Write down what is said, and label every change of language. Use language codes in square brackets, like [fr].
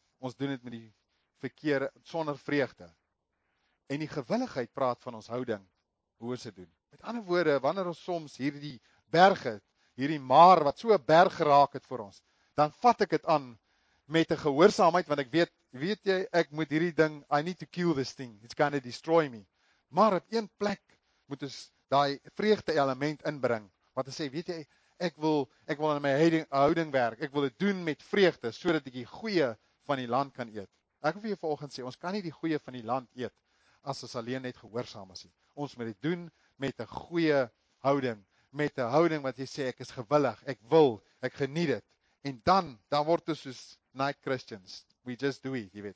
[af] Ons doen dit met die verkeerde sonder vreugde. En die gewilligheid praat van ons houding, hoe ons dit doen. Met ander woorde, wanneer ons soms hierdie berge, hierdie maar wat so 'n berg geraak het vir ons, dan vat ek dit aan met 'n gehoorsaamheid want ek weet, weet jy, ek moet hierdie ding, [en] I need to kill this thing. It's going to destroy me. [af] Maar op een plek moet ons daai vreugde element inbring. Wat ek sê, weet jy, ek wil aan my houding werk. Ek wil dit doen met vreugde sodat ek die goeie van die land kan eet. Ek wil vir jou vanoggend sê, ons kan nie die goeie van die land eet as ons alleen net gehoorsaam is nie. Ons moet dit doen met 'n goeie houding, met 'n houding wat jy sê ek is gewillig, ek wil, ek geniet dit. En dan word dit soos [en] night Christians. We just do it, [af] jy weet.